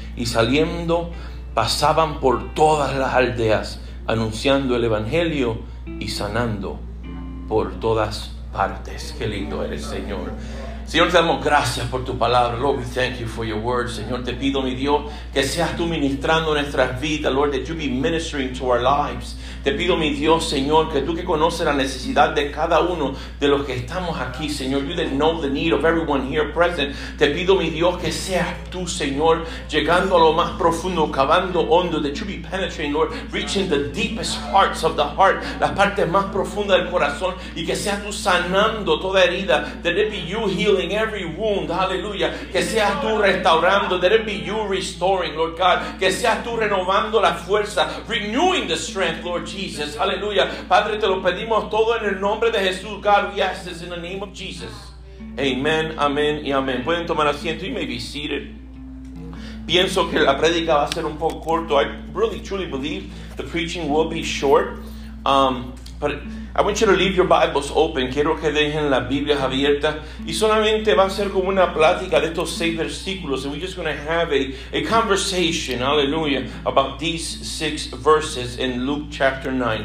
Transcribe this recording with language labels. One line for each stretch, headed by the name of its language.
Spanish: Y saliendo, pasaban por todas las aldeas, anunciando el evangelio y sanando por todas partes. Qué lindo eres, Señor. Señor, te damos gracias por tu palabra.
English: Lord, we thank you for your word.
Spanish: Señor, te pido, mi Dios, que seas tú ministrando nuestras vidas.
English: Lord, that you be ministering to our lives.
Spanish: Te pido, mi Dios, Señor, que tú que conoces la necesidad de cada uno de los que estamos aquí, Señor,
English: you that know the need of everyone here present,
Spanish: te pido, mi Dios, que seas tú, Señor, llegando a lo más profundo, cavando hondo,
English: that you be penetrating, Lord, reaching the deepest parts of the heart,
Spanish: las partes más profundas del corazón, y que seas tú sanando toda herida,
English: that it be you healing every wound, hallelujah,
Spanish: que seas tú restaurando,
English: that it be you restoring, Lord God,
Spanish: que seas tú renovando la fuerza,
English: renewing the strength, Lord Jesus, hallelujah.
Spanish: Padre, te lo pedimos todo en el nombre de Jesús.
English: God, we ask this in the name of Jesus.
Spanish: Amen, amen y amen. Pueden tomar asiento.
English: You may be seated.
Spanish: Pienso que la predica va a ser un poco corto.
English: I really truly believe the preaching will be short. But I want you to leave your Bibles open.
Spanish: Quiero que dejen las Biblias abiertas. Y solamente va a ser como una plática de estos 6 versículos.
English: And we're just going to have a conversation, hallelujah, about these 6 verses in Luke chapter 9.